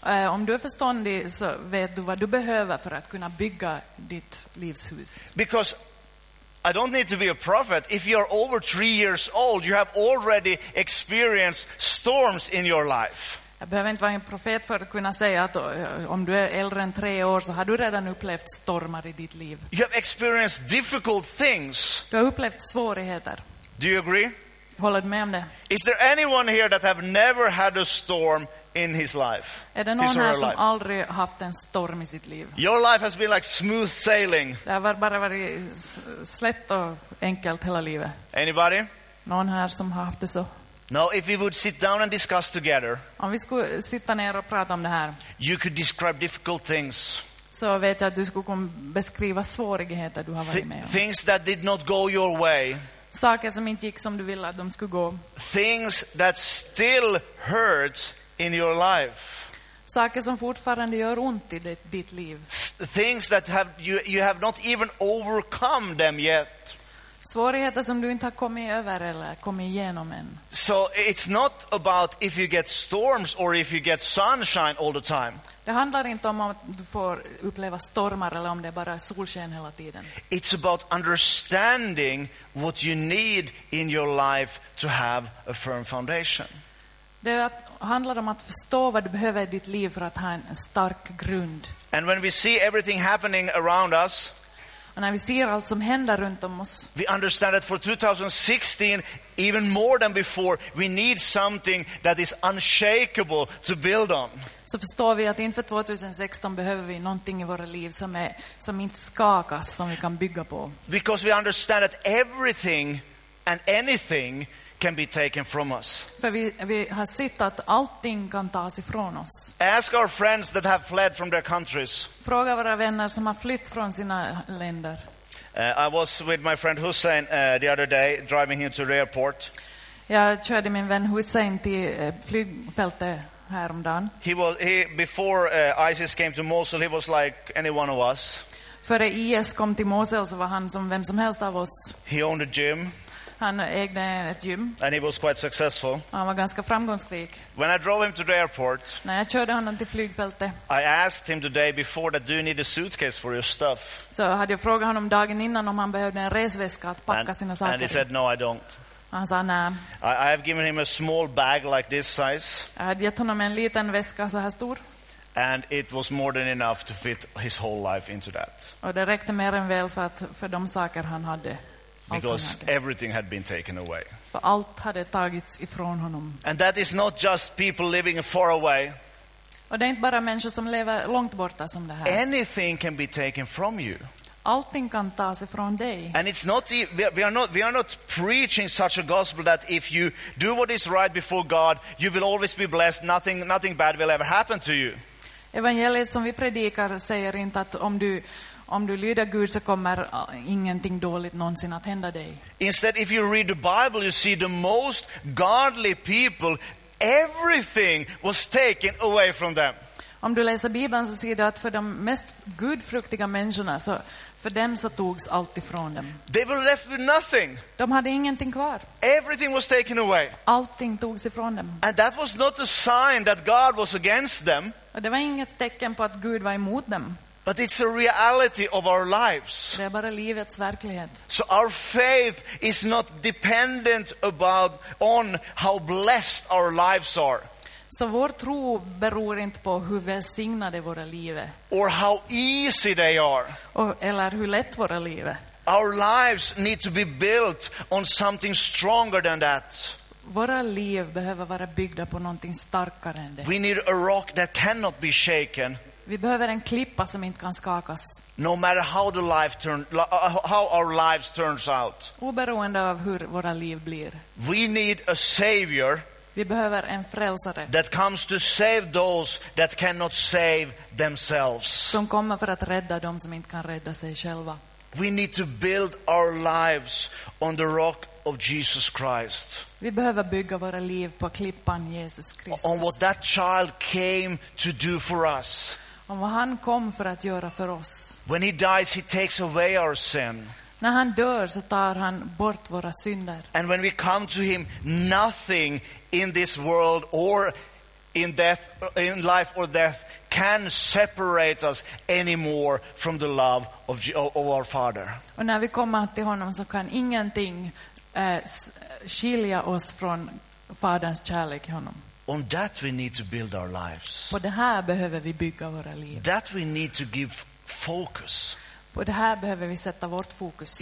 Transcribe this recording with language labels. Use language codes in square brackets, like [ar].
[sv] Om du är förståndig så vet du vad du behöver för att kunna bygga ditt livshus. [en] Because I don't need to be a prophet. If you're over 3 years old, you have already experienced storms in your life. [sv] Jag behöver inte vara en profet för att kunna säga att om du är äldre än 3 år så har du redan upplevt stormar i ditt liv. [en] You have experienced difficult things. [sv] Du har upplevt svårigheter. [en] Do you agree? [sv] Håller du med om det? [en] Is there anyone here that have never had a storm in his life? [sv] Är det någon här som aldrig haft en storm i sitt liv? [en] Your life has been like smooth sailing. [sv] Det har bara varit slätt och enkelt hela livet. [en] Anybody? [sv] Någon här som har haft det så? [en] No, if we would sit down and discuss together. [sv] Om vi skulle sitta ner och prata om det här. [en] You could describe difficult things. [sv] Så vet jag att du skulle kunna beskriva svårigheter du har varit med om. [en] Things that did not go your way. [sv] Saker som inte gick som du ville att de skulle gå. [en] Things that still hurts in your life. [sv] Saker som fortfarande gör ont i ditt liv. [en] Things that have you have not even overcome them yet. [sv] Svårigheter som du inte har kommit över eller kommit igenom än. [en] So it's not about if you get storms or if you get sunshine all the time. [sv] Det handlar inte om att du får uppleva stormar eller om det bara är solsken hela tiden. [en] It's about understanding what you need in your life to have a firm foundation. [sv] Det handlar om att förstå vad du behöver i ditt liv för att ha en stark grund. [en] And when we see everything happening around us, [sv] och när vi ser allt som händer runt om oss, [en] we understand that for 2016, even more than before, we need something that is unshakable to build on. [sv] Så förstår vi att inför 2016 behöver vi någonting i våra liv som inte skakas, som vi kan bygga på. [en] Because we understand that everything and anything can be taken from us. [sv] För vi har sett att allting kan tas ifrån oss. [en] Ask our friends that have fled from their countries. [sv] Fråga våra vänner som har flytt från sina länder. [en] I was with my friend Hussein the other day driving him to the airport. [sv] Jag körde min vän Hussein till flygfältet häromdagen. [en] Before ISIS came to Mosul, he was like any one of us. [sv] Före IS kom till Mosul så var han som vem som helst av oss. [en] He owned a gym. [sv] Han ägde ett gym. [en] And he was quite successful. [sv] Han var ganska framgångsrik. [en] When I drove him to the airport, [sv] när jag körde honom till flygfältet, [en] I asked him the day before that, do you need a suitcase for your stuff? [sv] Så hade jag frågat honom dagen innan om han behövde en resväska att packa sina saker. [en] And he said no, I don't. [sv] Han sa, [en] I have given him a small bag like this size. [sv] Jag har gett honom en liten väska så här stor. [en] And it was more than enough to fit his whole life into that. [sv] Och det räckte mer än väl för de saker han hade. [en] Because everything had been taken away. [sv] För allt hade tagits ifrån honom. [en] And that is not just people living far away. [sv] Och det är inte bara människor som lever långt borta som det här. [en] Anything can be taken from you. [sv] Allting kan tas ifrån dig. [en] And it's not we are not preaching such a gospel that if you do what is right before God, you will always be blessed. Nothing bad will ever happen to you. [sv] Evangeliet som vi predikar säger inte att om du lyder Gud så kommer ingenting dåligt någonsin att hända dig. [en] Instead, if you read the Bible, you see the most godly people, everything was taken away from them. [sv] Om du läser Bibeln så ser du att för de mest gudfruktiga människorna så för dem så togs allt ifrån dem. [en] They were left with nothing. [sv] De hade ingenting kvar. [en] Everything was taken away. [sv] Allting togs ifrån dem. [en] And that was not a sign that God was against them. [sv] Och det var inget tecken på att Gud var emot dem. [en] But it's a reality of our lives. [sv] Det är bara livets verklighet. [en] So our faith is not dependent on how blessed our lives are. [sv] Så vår tro beror inte på hur välsignade våra liv är. [en] Or how easy they are. [sv] Eller hur lätt våra liv är. [en] Our lives need to be built on something stronger than that. [sv] Våra liv behöver vara byggda på någonting starkare än det. [en] We need a rock that cannot be shaken. [sv] Vi behöver en klippa som inte kan skakas. [en] No matter how the life how our lives turns out. [sv] Oberoende av hur våra liv blir. [en] We need a savior. [sv] Vi behöver en frälsare. [en] That comes to save those that cannot save themselves. [sv] Som kommer för att rädda de som inte kan rädda sig själva. [en] We need to build our lives on the rock of Jesus Christ. [sv] Vi behöver bygga våra liv på klippan Jesus Kristus. [en] On what that child came to do for us. [sv] Om vad han kom för att göra för oss. [en] When he dies, he takes away our sin. [sv] När han dör så tar han bort våra synder. [en] And when we come to him, nothing in this world or in death, in life or death, can separate us anymore from the love of our Father. [sv] Och när vi kommer till honom så kan ingenting skilja oss från faderns kärlek i honom. [en] On that we need to build our lives. [sv] På det här behöver vi bygga våra liv. [en] That we need to give focus. [sv] På det här behöver vi sätta vårt fokus.